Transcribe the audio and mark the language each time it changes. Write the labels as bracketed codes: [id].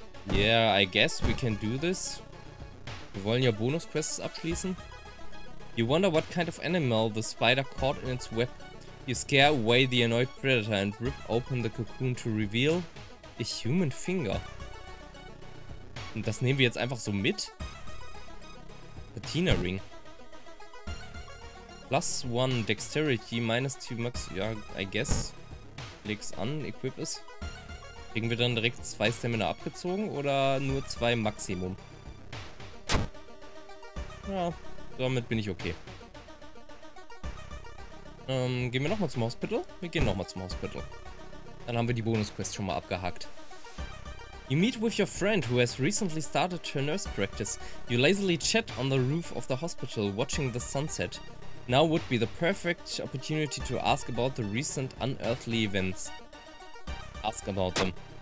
[en] Yeah, I guess we can do this. [de] Wir wollen ja Bonus-Quests abschließen. [en] You wonder what kind of animal the spider caught in its web. You scare away the annoyed predator and rip open the cocoon to reveal a human finger. [de] Und das nehmen wir jetzt einfach so mit? Patina Ring. [en] Plus 1 Dexterity, minus 2 Max, ja, I guess. [de] Leg's an, equip es. Kriegen wir dann direkt 2 Stamina abgezogen oder nur 2 Maximum? Ja, damit bin ich okay. Gehen wir nochmal zum Hospital? Wir gehen nochmal zum Hospital. Dann haben wir die Bonusquest schon mal abgehakt. [en] You meet with your friend who has recently started her nurse practice. You lazily chat on the roof of the hospital, watching the sunset. Now would be the perfect opportunity to ask about the recent unearthly events. Ask about them.